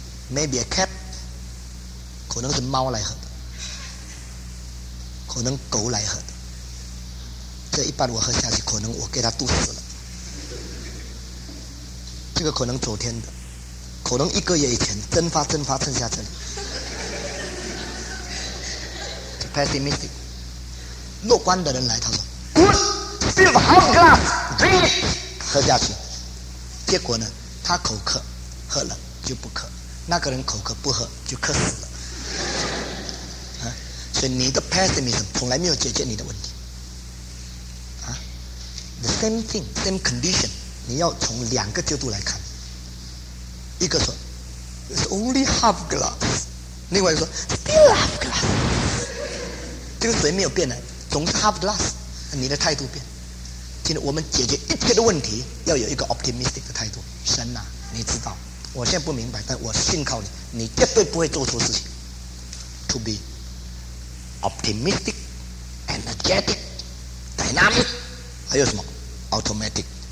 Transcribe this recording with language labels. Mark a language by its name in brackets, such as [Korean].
[English] Maybe a cat， [Chinese] 可能是猫来喝的，可能狗来喝的。这一半我喝下去，可能我给他毒死了。这个可能昨天的，可能一个月以前蒸发蒸发蒸下这里。 [English] It's pessimistic。 [Chinese] 乐观的人来，他说 [English] Good, still half glass, drink it， [Chinese] 喝下去。结果呢，他口渴，喝了就不渴，那个人口渴不喝就渴死了。所以你的 pessimism 从来没有解决你的问题。 [English] The same thing, same condition， [Chinese] 你要从两个角度来看。一个说 [English] It's only half glass， [Chinese] 另外一个说 [English] Still half glass。 [Chinese] 这个水没有变的，总是 [English] half glass， [Chinese] 你的态度变。今天我们解决一切的问题要有一个 optimistic 的态度。神啊，你知道我现在不明白，但我信靠你，你绝对不会做错事情。 [English] To be optimistic, energetic, dynamic， [Chinese] 还有什么 [English] automatic。